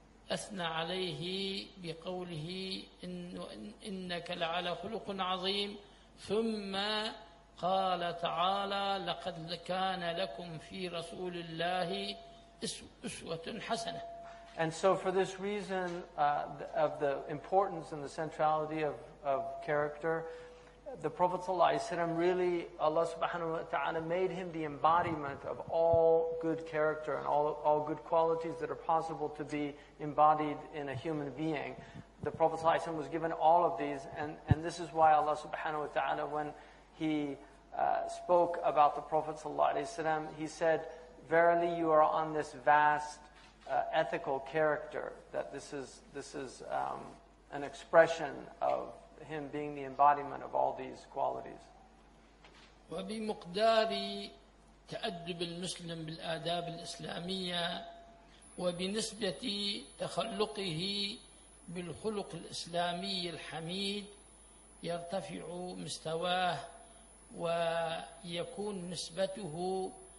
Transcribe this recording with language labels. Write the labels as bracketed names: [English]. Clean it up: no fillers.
[Arabic] أثنى عليه بقوله إنك لعلى خلق عظيم ثم قال تعالى لقد كان لكم في رسول الله أسوة حسنة. [English] And so for this reason of the importance and the centrality of character, the Prophet صلى الله عليه وسلم really Allah subhanahu wa ta'ala made him the embodiment of all good character and all good qualities that are possible to be embodied in a human being. The Prophet صلى الله عليه وسلم was given all of these, and this is why Allah subhanahu wa ta'ala, when he spoke about the Prophet صلى الله عليه وسلم, he said, verily you are on this vast ethical character, that this is an expression of him being the embodiment of all these qualities. [Arabic] وبمقدار تأدب المسلم بالآداب الإسلامية وبنسبة تخلقه بالخلق الإسلامي الحميد يرتفع مستواه ويكون نسبته